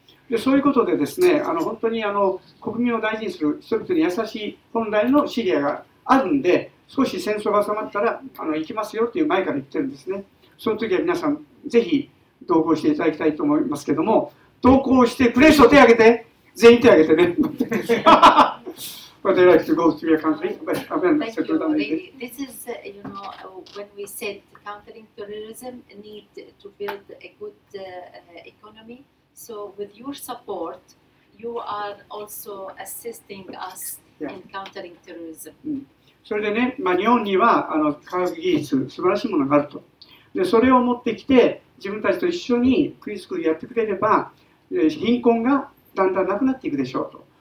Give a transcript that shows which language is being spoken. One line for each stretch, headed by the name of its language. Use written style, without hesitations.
Japanese: でそういうことでですね、本当に国民を大事にする、人々に優しい本来のシリアがあるんで、少し戦争が収まったら行きますよという前から言ってるんですね。その時は皆さんぜひ同行していただきたいと思いますけども、同行してくれる人手を挙げて、全員手を挙げてね。
English: But they like to go to your country. But I mean, thank you. This is, you know, when we said countering terrorism need to build a good economy. So with your support, you are also assisting us in countering terrorism.、
Japanese: うん、それでね、まあ、日本には科学技術、素晴らしいものがあると。で、それを持ってきて、自分たちと一緒にクリスクリやってくれれば、貧困がだんだんなくなっていくでしょうと。